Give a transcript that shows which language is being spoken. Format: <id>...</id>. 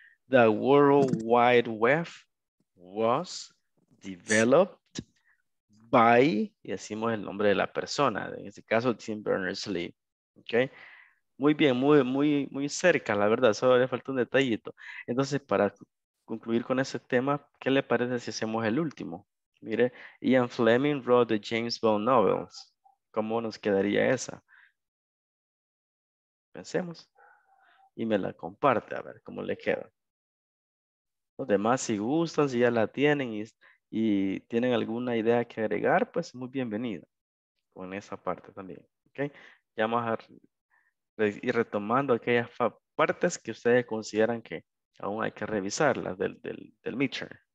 <en>The World Wide Web was developed by,</en> <es>y decimos el nombre de la persona, en este caso</es> <en>Tim Berners-Lee. ¿Okay?</en> <es>Muy bien, muy, muy, muy cerca, la verdad, solo le falta un detallito. Entonces, para concluir con ese tema, ¿qué le parece si hacemos el último?</es> <en>Mire, Ian Fleming wrote the James Bond novels.</en> <es>¿Cómo nos quedaría esa? Pensemos. Y me la comparte, a ver cómo le queda. Los demás, si gustan, si ya la tienen y tienen alguna idea que agregar, pues muy bienvenido con esa parte también, ¿ok? Ya vamos a ir retomando aquellas partes que ustedes consideran que aún hay que revisar, las del midterm.</es>